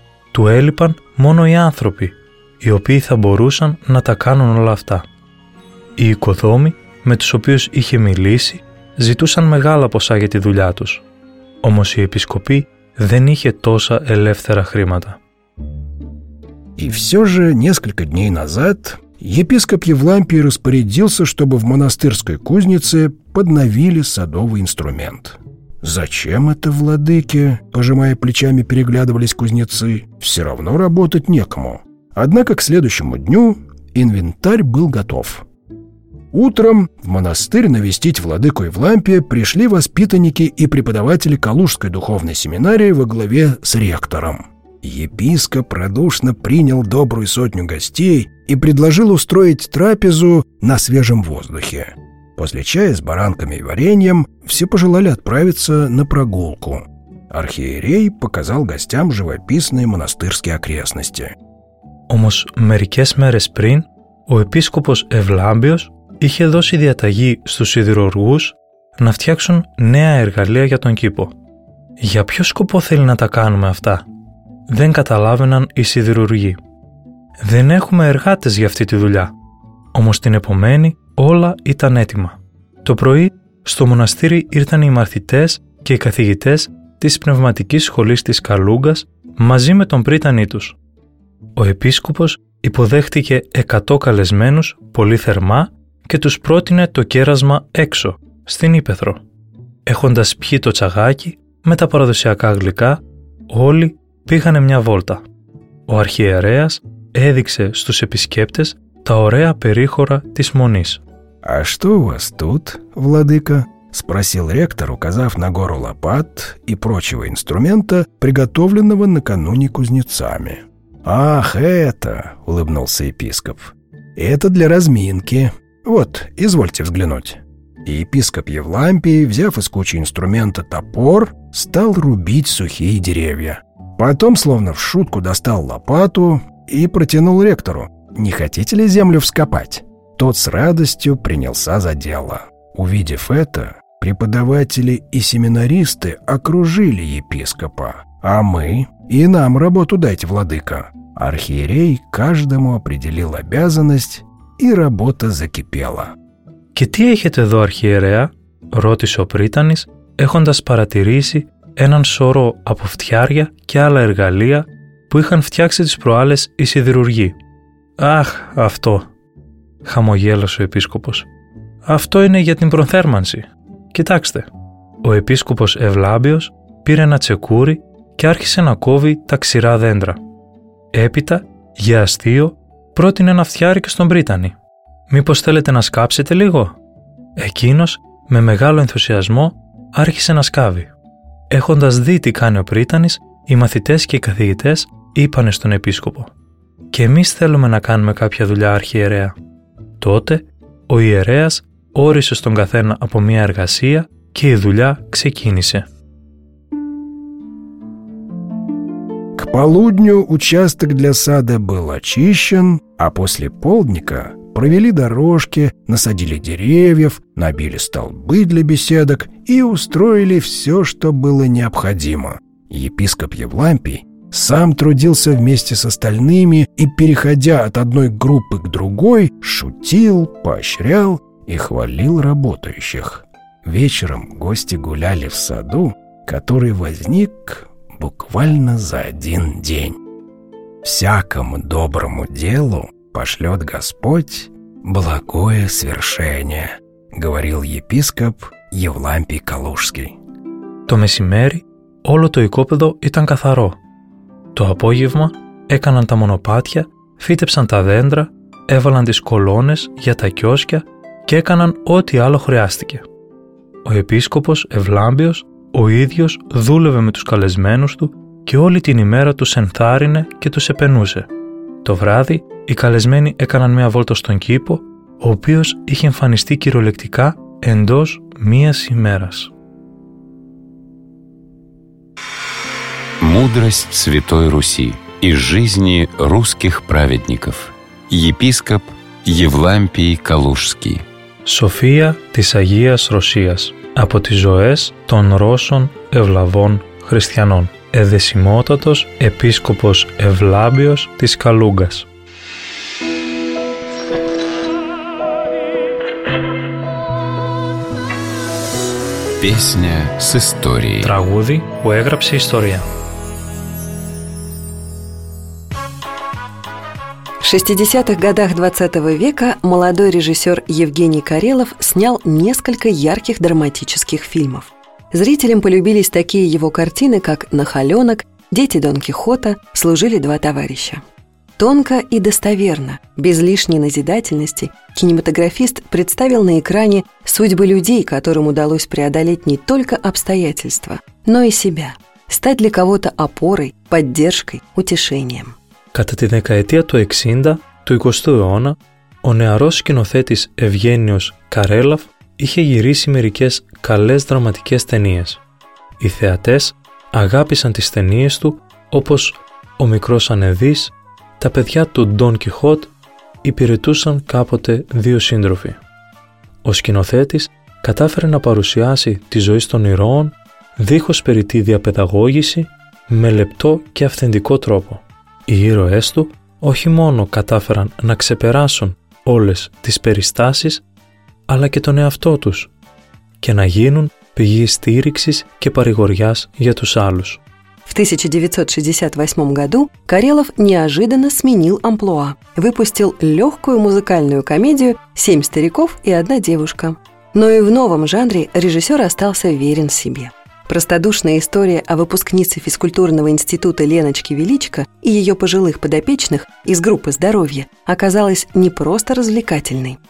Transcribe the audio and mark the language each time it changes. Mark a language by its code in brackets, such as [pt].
[el] Του έλειπαν μόνο οι άνθρωποι, οι οποίοι θα μπορούσαν να τα κάνουν όλα αυτά. Οι οικοδόμοι με τους οποίους είχε μιλήσει ζητούσαν μεγάλα ποσά για τη δουλειά τους. Όμως η επισκοπή δεν είχε τόσα ελεύθερα χρήματα. [ru] И все же несколько дней назад епископ Евлампий распорядился, чтобы в монастырской кузнице подновили садовый инструмент. Зачем это владыке? Пожимая плечами, переглядывались кузнецы. Все равно работать некому. Однако к следующему дню инвентарь был готов. Утром в монастырь навестить владыку Евлампия пришли воспитанники и преподаватели Калужской духовной семинарии во главе с ректором. Епископ радушно принял добрую сотню гостей и предложил устроить трапезу на свежем воздухе. После чая с баранками и вареньем все пожелали отправиться на прогулку. Архиерей показал гостям живописные монастырские окрестности. [el] Όμως μερικές μέρες πριν, ο επίσκοπος Ευλάμπιος είχε δώσει διαταγή στους σιδηρουργούς να φτιάξουν νέα εργαλεία για τον κήπο. Για ποιο σκοπό θέλει να τα κάνουμε αυτά? Δεν καταλάβαιναν οι σιδηρουργοί. Δεν έχουμε εργάτες για αυτή τη δουλειά. Όμως την επομένη όλα ήταν έτοιμα. Το πρωί στο μοναστήρι ήρθαν οι μαθητές και οι καθηγητές της πνευματικής σχολής της Καλούγκας μαζί με τον πρίτανή τους. Ο επίσκοπος υποδέχτηκε 100 καλεσμένους πολύ θερμά και τους πρότεινε το κέρασμα έξω, στην ύπαιθρο. Έχοντας πιει το τσαγάκι με τα παραδοσιακά γλυκά, όλοι πήγανε μια βόλτα. Ο αρχιερέας έδειξε στους επισκέπτες τα ωραία περίχωρα της Μονής. [ru] «А что у вас тут, владыка?» спросил ректор, указав на гору лопат и прочего инструмента, приготовленного накануне кузнецами. «Ах, это!» — улыбнулся епископ. «Это для разминки. Вот, извольте взглянуть». И епископ Евлампий, взяв из кучи инструмента топор, стал рубить сухие деревья. Потом, словно в шутку, достал лопату и протянул ректору. «Не хотите ли землю вскопать?» Тот с радостью принялся за дело. Увидев это, преподаватели и семинаристы окружили епископа. «А мы? И нам работу дайте, владыка». Архиерей каждому определил обязанность, и работа закипела. [el] «Και τι έχετε εδώ, αρχιερέα?» ρώτησε ο πρίτανης, έχοντας παρατηρήσει έναν σωρό από φτιάρια και άλλα εργαλεία που είχαν φτιάξει τις προάλλες οι σιδηρουργοί. «Αχ, αυτό!» χαμογέλασε ο επίσκοπος. «Αυτό είναι για την προθέρμανση. Κοιτάξτε!» Ο επίσκοπος Ευλάμπιος πήρε ένα τσεκούρι και άρχισε να κόβει τα ξηρά δέντρα. Έπειτα, για αστείο, πρότεινε να φτιάρει και στον Πρίτανη. «Μήπως θέλετε να σκάψετε λίγο?» Εκείνος, με μεγάλο ενθουσιασμό, άρχισε να σκάβει. Έχοντας δει τι κάνει ο Πρίτανης, οι μαθητές και οι καθηγητές είπανε στον επίσκοπο: «Και εμείς θέλουμε να κάνουμε κάποια δουλειά, αρχιερέα». Τότε, ο ιερέας όρισε στον καθένα από μία εργασία και η δουλειά ξεκίνησε. [ru] К полудню участок для сада был очищен, а после полдника провели дорожки, насадили деревьев, набили столбы для беседок и устроили все, что было необходимо. Епископ Евлампий сам трудился вместе с остальными и, переходя от одной группы к другой, шутил, поощрял и хвалил работающих. Вечером гости гуляли в саду, который возник буквально за один день. Всякому доброму делу пошлет Господь благое свершение, говорил епископ Евлампий Калужский. [el] То месимери, όλο το οικόπεδο ήταν καθαρό. Το απόγευμα έκαναν τα μονοπάτια, φύτεψαν τα δέντρα, έβαλαν τις κολόνες για τα κιόσκια και έκαναν ό,τι άλλο χρειάστηκε. Ο επίσκοπος Ευλάμπιος ο ίδιος δούλευε με τους καλεσμένους του και όλη την ημέρα τους ενθάρρυνε και τους επενούσε. Το βράδυ οι καλεσμένοι έκαναν μια βόλτα στον κήπο, ο οποίος είχε εμφανιστεί κυριολεκτικά εντός μίας ημέρας. [ru] Мудрость Святой Руси и жизни русских праведников. Епископ Евлампий Калужский. [el] Σοφία της Αγίας Ρωσίας από τις ζωές των Ρώσων Ευλαβών Χριστιανών. Εδεσιμότατος επίσκοπος Ευλάμπιος της Καλούγκας. [ru] Песня с историей. [el] Τραγούδι που έγραψε ιστορία. [ru] 60-х годах 20 века молодой режиссер Евгений Карелов снял несколько ярких драматических фильмов. Зрителям полюбились такие его картины, как «Нахаленок», «Дети Дон Кихота», «Служили два товарища». Тонко и достоверно, без лишней назидательности, кинематографист представил на экране судьбы людей, которым удалось преодолеть не только обстоятельства, но и себя, стать для кого-то опорой, поддержкой, утешением. [el] Κατά τη δεκαετία του 60 του 20ου αιώνα, ο νεαρός σκηνοθέτης Ευγένιος Καρέλαφ είχε γυρίσει μερικές καλές δραματικές ταινίες. Οι θεατές αγάπησαν τις ταινίες του όπως «Ο μικρός Ανεδής», «Τα παιδιά του Ντον Κιχότ», «Υπηρετούσαν κάποτε δύο σύντροφοι». Ο σκηνοθέτης κατάφερε να παρουσιάσει τη ζωή των ηρώων δίχως περιττή διαπαιδαγώγηση με λεπτό και αυθεντικό τρόπο. Οι ήρωές του όχι μόνο κατάφεραν να ξεπεράσουν όλες τις περιστάσεις, αλλά και τον εαυτό τους και να γίνουν πηγή στήριξης και παρηγοριάς για τους άλλους. [ru] В 1968 году Карелов неожиданно сменил амплуа, выпустил легкую музыкальную комедию «Семь стариков и одна девушка». Но и в новом жанре режиссер остался верен себе. Простодушная история о выпускнице физкультурного института Леночки Величко и ее пожилых подопечных из группы «Здоровье» оказалась не просто развлекательной.